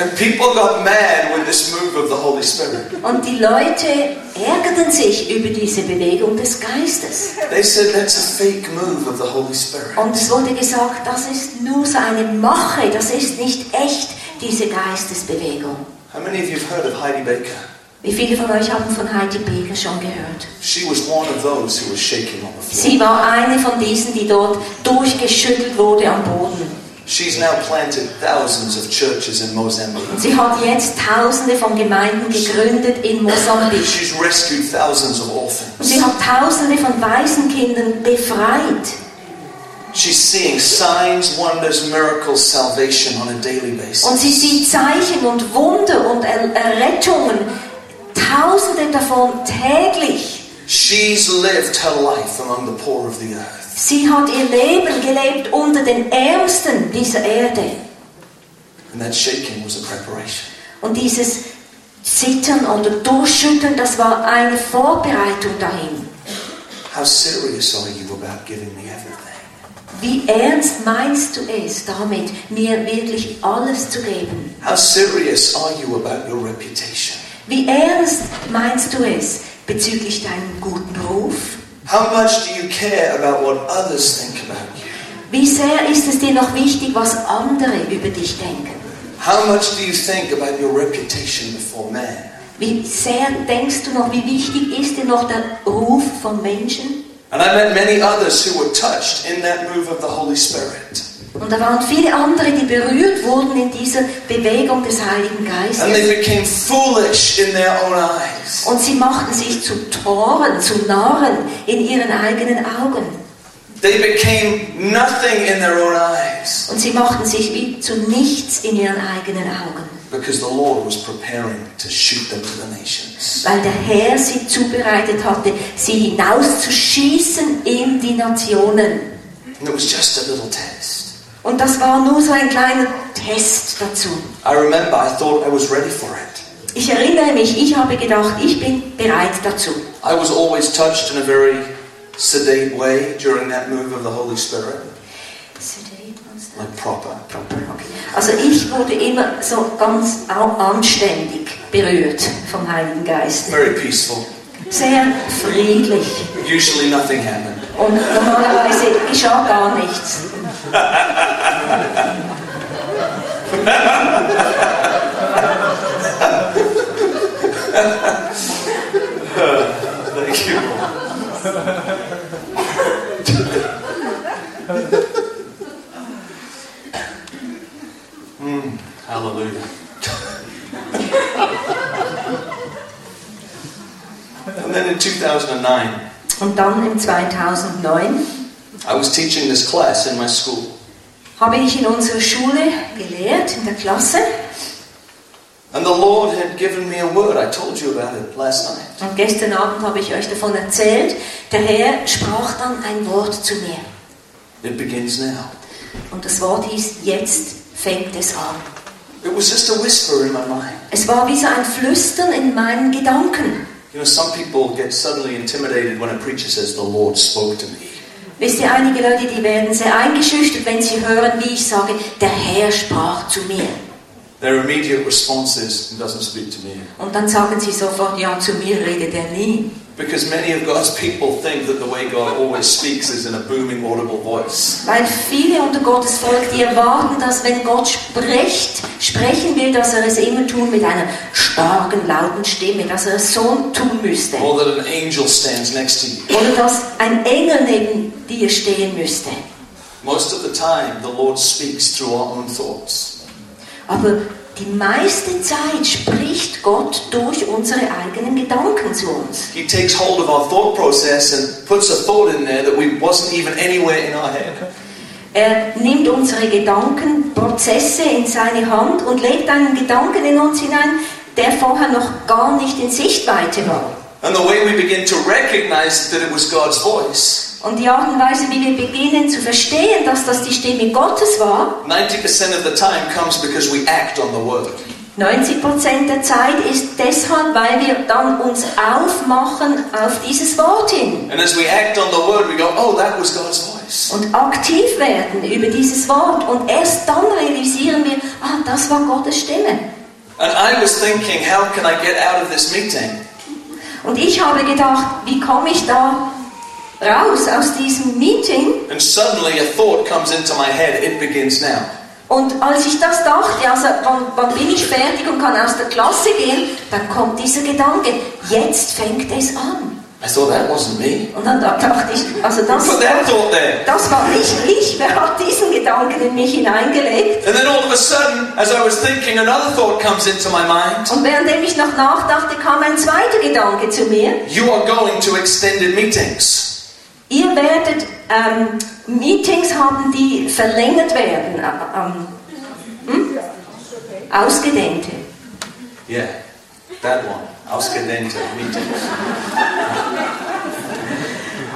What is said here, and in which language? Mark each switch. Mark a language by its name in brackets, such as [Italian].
[English] And people got mad with this move of the Holy Spirit. [German] Und die Leute ärgerten sich über diese Bewegung des Geistes. [English] They said that's a fake move of the Holy Spirit. [German] Und es wurde gesagt, das ist nur so eine Mache, das ist nicht echt diese Geistesbewegung. [English] How many of you have heard of Heidi Baker? [German] Wie viele von euch haben von Heidi Baker schon gehört? [English] She was one of those who was shaking on the floor. [German] Sie war eine von diesen, die dort durchgeschüttelt wurde am Boden. [English] She's now planted thousands of churches in Mozambique. [German] Sie hat jetzt tausende von Gemeinden gegründet in Mosambik. [English] She's rescued thousands of orphans. [German] Sie hat tausende von Waisenkindern befreit. [English] She's seeing signs, wonders, miracles, salvation on a daily basis. [German] Und sie sieht Zeichen und Wunder und Errettungen, tausende davon täglich. [English] She's lived her life among the poor of the earth. [German] Sie hat ihr Leben gelebt unter den Ärmsten dieser Erde. [English] And that shaking was a preparation. [German] Und dieses Zittern oder Durchschütteln, das war eine Vorbereitung dahin. [English] How serious are you about giving me everything? [German] Wie ernst meinst du es damit, mir wirklich alles zu geben? [English] How serious are you about your reputation? [German] Wie ernst meinst du es bezüglich deinem guten Ruf? [English] How much do you care about what others think about you? [German] Wie sehr ist es dir noch wichtig, was andere über dich denken? [English] How much do you think about your reputation before man? [German] Wie sehr denkst du noch, wie wichtig ist dir noch der Ruf von Menschen? [English] And I met many others who were touched in that move of the Holy Spirit. [German] Und da waren viele andere, die berührt wurden in dieser Bewegung des Heiligen Geistes. [English] And they became foolish in their own eyes. [German] Und sie machten sich zu Toren, zu Narren in ihren eigenen Augen. [English] They became nothing in their own eyes. [German] Und sie machten sich wie zu nichts in ihren eigenen Augen. [English] Because the Lord was preparing to shoot them to the nations. [German] Weil der Herr sie zubereitet hatte, sie hinauszuschießen in die Nationen. [English] And it was just a little test. [German] Und das war nur so ein kleiner Test dazu. [English] I remember, I thought I was ready for it. [German] Ich erinnere mich, ich habe gedacht, ich bin bereit dazu. [English] I was always touched in a very sedate way during that move of the Holy Spirit. Sedate, like proper. Proper, okay. [German] Also ich wurde immer so ganz anständig berührt vom Heiligen Geist. [English] Very peaceful. [German] Sehr friedlich. [English] Usually nothing happened. [German] Und normalerweise geschah gar nichts. [English] Thank you. Hallelujah. And then in 2009. [German] Und dann im 2009. [English] I was teaching this class in my school. [German] Habe ich in unserer Schule gelehrt, in der Klasse. [English] And the Lord had given me a word. I told you about it last night. [German] Und gestern Abend habe ich euch davon erzählt. Der Herr sprach dann ein Wort zu mir. [English] It begins now. [German] Und das Wort hieß, jetzt fängt es an. [English] It was just a whisper in my mind. [German] Es war wie so ein Flüstern in meinen Gedanken. [English] You know, some people get suddenly intimidated when a preacher says, the Lord spoke to me. [German] Wisst ihr, einige Leute, die werden sehr eingeschüchtert, wenn sie hören, wie ich sage, der Herr sprach zu mir. [English] Their immediate response is, he doesn't speak to me. [German] Und dann sagen sie sofort, ja, zu mir redet er nie. [English] Because many of God's people think that the way God always speaks is in a booming, audible voice. [German] Weil viele unter Gottes Volk, die erwarten, dass wenn Gott spricht, sprechen will, dass er es immer tun mit einer starken, lauten Stimme, dass er es so tun müsste. [English] Or that an angel stands next to you. [German] Oder dass ein Engel neben dir stehen müsste. [English] Most of the time, the Lord speaks through our own thoughts. [German] Aber die meiste Zeit spricht Gott durch unsere eigenen Gedanken zu uns. [English] He takes hold of our thought process and puts a thought in there that we wasn't even anywhere in our head. [German] Er nimmt unsere Gedankenprozesse in seine Hand und legt einen Gedanken in uns hinein, der vorher noch gar nicht in Sichtweite war. [English] And the way we begin to recognize that it was God's voice. [German] Und die Art und Weise, wie wir beginnen zu verstehen, dass das die Stimme Gottes war, [English] 90% of the time comes because we act on the word. [German] 90% der Zeit ist deshalb, weil wir dann uns aufmachen auf dieses Wort hin. [English] And as we act on the word, we go, oh, that was God's voice. [German] Und aktiv werden über dieses Wort und erst dann realisieren wir, ah, das war Gottes Stimme. [English] And I was thinking, how can I get out of this meeting? [German] Und ich habe gedacht, wie komme ich da raus aus diesem Meeting? [English] And suddenly a thought comes into my head, it begins now. [German] Und als ich das dachte, also wann bin ich fertig und kann aus der Klasse gehen, dann kommt dieser Gedanke, jetzt fängt es an. [English] I thought that wasn't me. [German] Und dann dachte ich, also das, [English] put that thought there. [German] Das war nicht ich, wer hat diesen Gedanken in mich hineingelegt? [English] And then all of a sudden, as I was thinking, another thought comes into my mind. [German] Und währenddem ich noch nachdachte, kam ein zweiter Gedanke zu mir. [English] You are going to extended meetings. [German] Ihr werdet Meetings haben, die verlängert werden. Ausgedehnte. [English] Yeah, that one. [German] Ausgedehnte Meetings.